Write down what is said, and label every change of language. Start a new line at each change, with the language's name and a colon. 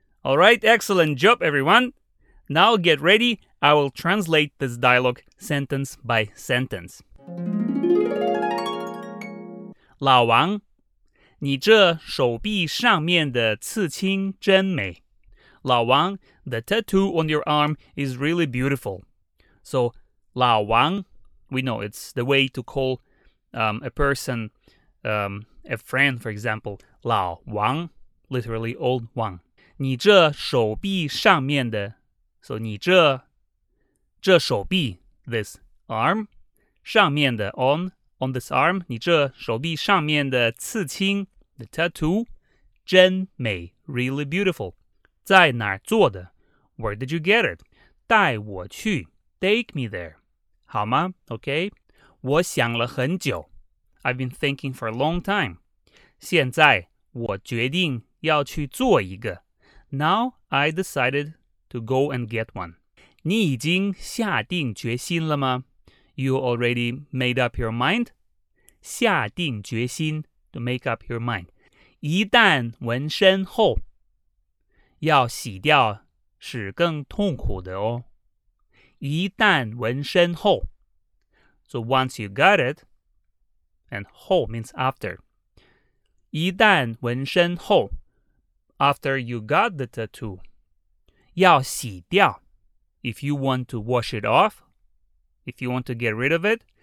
English: Alright, excellent job, everyone. Now get ready, I will translate this dialogue sentence by sentence.
Chinese: 老王，你这手臂上面的刺青真美。
English: 老王, the tattoo on your arm is really beautiful. So, 老王, we know it's the way to call a person, a friend, for example, 老王, literally old Wang.
Chinese: 你这手臂上面的, so 你这, 这手臂,
English: this arm,
Chinese: 上面的,
English: on this arm,
Chinese: 你这手臂上面的刺青,
English: the tattoo,
Chinese: 真美,
English: really beautiful.
Chinese: 在哪儿做的?
English: Where did you get it?
Chinese: 带我去,
English: take me there.
Chinese: 好吗?Okay. 我想了很久。
English: I've been thinking for a long time.
Chinese: 现在我决定要去做一个。
English: Now I decided to go and get one.
Chinese: 你已经下定决心了吗?
English: You already made up your mind?
Chinese: 下定决心,
English: to make up your mind.
Chinese: 一旦纹身后,要洗掉是更痛苦的哦。一旦纹身后,
English: so once you got it, and 后 means after.
Chinese: 一旦纹身后,
English: after you got the tattoo,
Chinese: 要洗掉,
English: if you want to wash it off, if you want to get rid of it,